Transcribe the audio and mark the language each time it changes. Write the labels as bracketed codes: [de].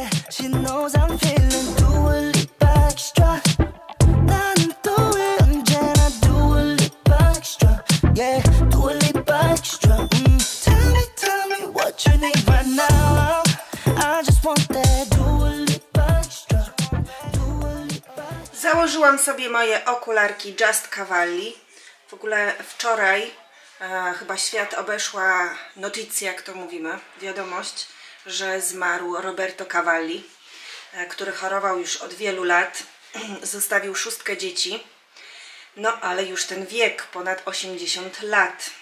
[en] She knows I'm feeling Dua Lipa extra. [ko] 나는 또 왜 언제나 Dua Lipa extra. [en] Yeah, Dua Lipa extra. Tell me what you need right now. I just want that Dua Lipa extra. Dua Lipa extra. [pl] Założyłam sobie moje okularki Just Cavalli. W ogóle wczoraj chyba świat obeszła notycja, jak to mówimy, wiadomość, że zmarł Roberto Cavalli, który chorował już od wielu lat, zostawił 6 dzieci, no ale już ten wiek, ponad 80 lat.